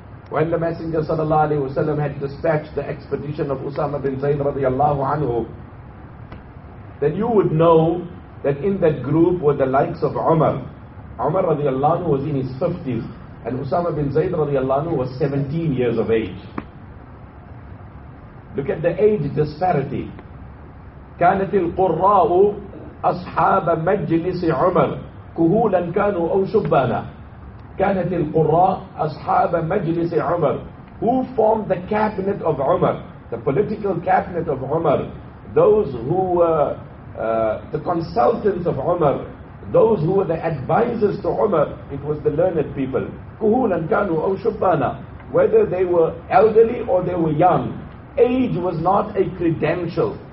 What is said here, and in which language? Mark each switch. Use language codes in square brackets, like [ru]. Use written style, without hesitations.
[en] When the Messenger sallallahu alaihi wasallam had dispatched the expedition of Usama bin Zayd radiallahu anhu, then you would know that in that group were the likes of Umar. Umar radiallahu anhu was in his 50s. And Usama bin Zayd radiallahu anhu was 17 years of age. Look at the age disparity. [ar] كانت القراء أصحاب مجلس عمر كهولا كانوا أو شبانا. كانت القراء أصحاب مجلس عمر. [en] Who formed the cabinet of Umar? The political cabinet of Umar. Those who were the consultants of Umar. Those who were the advisors to Umar. It was the learned people. [ar] كُهُولًا كَانُوا أَوْ شُبَّانًا. [en] Whether they were elderly or they were young, age was not a credential.